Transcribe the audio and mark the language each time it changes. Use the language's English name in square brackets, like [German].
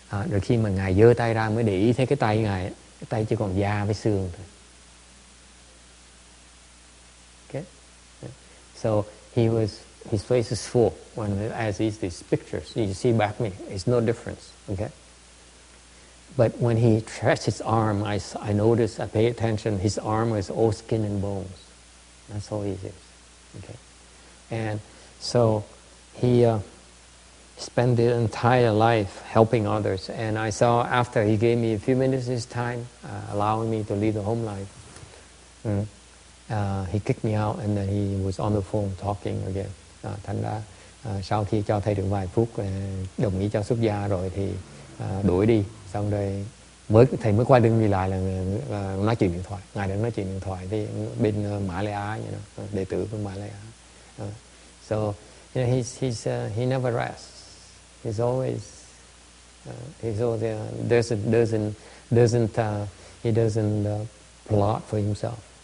[Vietnamese] Rồi khi mà ngài giơ tay ra mới để ý thấy cái tay ngài, cái tay chỉ còn da với xương thôi. [English] Okay, so his face is full when as is these pictures you see back me. It's no difference. Okay, but when he stretched his arm, I notice, I pay attention. His arm is all skin and bones. That's all he is. Okay, and so he spent the entire life helping others. And I saw after he gave me a few minutes of his time, allowing me to lead the home life. He kicked me out, and then he was on the phone talking again. [Vietnamese] Thành ra sau khi cho thầy được vài phút đồng ý cho xuất gia rồi thì đuổi đi. Xong rồi mới thầy mới quay lưng đi lại là nói chuyện điện thoại. Ngài đang nói chuyện điện thoại với bên Mã Lê Á, [English] you know, [Vietnamese] đệ tử của Mã Lê Á. [English] So you know, he never rests. He's always he doesn't plot for himself.